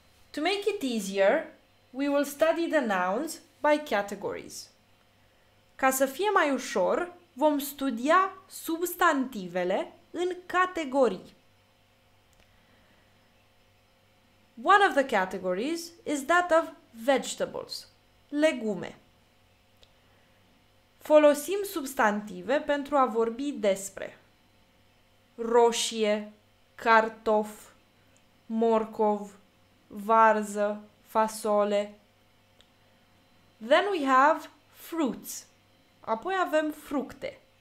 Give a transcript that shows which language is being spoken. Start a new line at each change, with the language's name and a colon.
English: To make it easier, we will study the nouns by categories.
Romanian: Ca să fie mai ușor, vom studia substantivele în categorii.
English: One of the categories is that of vegetables, legume.
Romanian: Folosim substantive pentru a vorbi despre roșie, cartof, morcov, varză, fasole.
English: Then we have fruits.
Romanian: Apoi avem fructe.